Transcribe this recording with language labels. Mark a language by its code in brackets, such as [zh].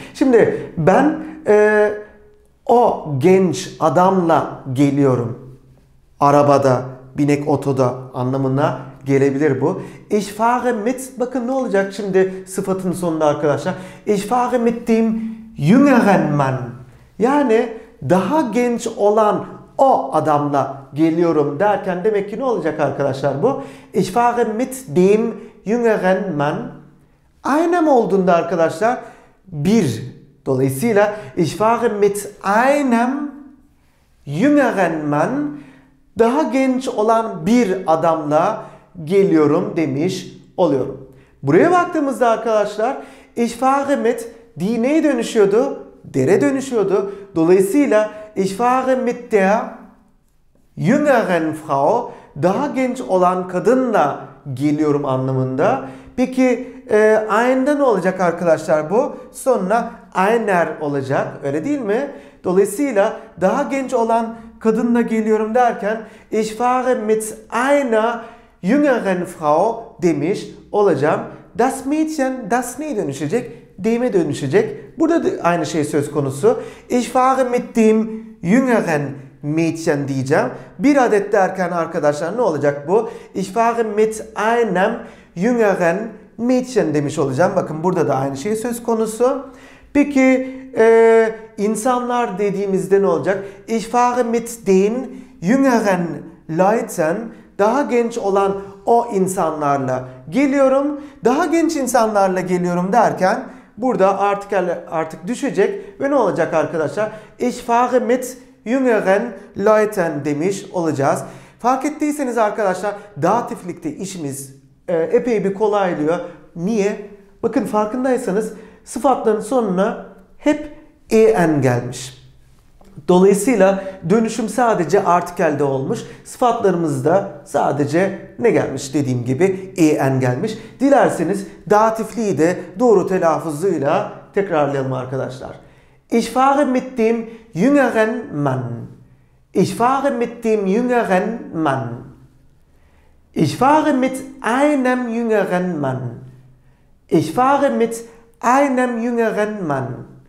[tr] Şimdi ben o genç adamla geliyorum. Arabada, binek otoda anlamına gelebilir bu. [de] Ich fahre mit, [tr] bakın ne olacak şimdi sıfatın sonunda arkadaşlar. [de] Ich fahre mit dem jüngeren Mann. [tr] Yani daha genç olan o adamla geliyorum derken demek ki ne olacak arkadaşlar bu? [de] Ich fahre mit dem jüngeren Mann. [tr] Einem olduğunda arkadaşlar bir. Dolayısıyla [de] ich fahre mit einem jüngeren Mann. [tr] Daha genç olan bir adamla geliyorum demiş oluyorum. Buraya baktığımızda arkadaşlar [de] ich fahre mit die [tr] neye dönüşüyordu? Dere dönüşüyordu. Dolayısıyla [de] ich fahre mit der jüngeren Frau, [tr] daha genç olan kadınla geliyorum anlamında. Peki einde ne olacak arkadaşlar bu? Sonuna einer olacak, öyle değil mi? Dolayısıyla daha genç olan kadınla geliyorum derken [de] ich fahre mit einer jüngeren Frau [tr] demiş olacağım. Das Mädchen, das neye dönüşecek? Dem'e dönüşecek. Burada da aynı şey söz konusu. [de] Ich fahre mit dem jüngeren Mädchen [tr] diyeceğim. Bir adet derken arkadaşlar ne olacak bu? [de] Ich fahre mit einem jüngeren Mädchen [tr] demiş olacağım. Bakın burada da aynı şey söz konusu. Peki insanlar dediğimizde ne olacak? [de] Ich fahre mit den jüngeren Leuten, [tr] daha genç olan o insanlarla geliyorum. Daha genç insanlarla geliyorum derken burada artık düşecek ve ne olacak arkadaşlar? [de] Ich fahre mit jüngeren Leuten [tr] demiş olacağız. Fark ettiyseniz arkadaşlar, datiflikte işimiz epey bir kolaylıyor. Niye? Bakın farkındaysanız sıfatların sonuna hep en gelmiş. Dolayısıyla dönüşüm sadece artikelde olmuş. Sıfatlarımızda sadece ne gelmiş? Dediğim gibi en gelmiş. Dilerseniz datifliği de doğru telaffuzuyla tekrarlayalım arkadaşlar. [de] Ich fahre mit dem jüngeren Mann. Ich fahre mit dem jüngeren Mann. Ich fahre mit einem jüngeren Mann. Ich fahre mit einem jüngeren Mann.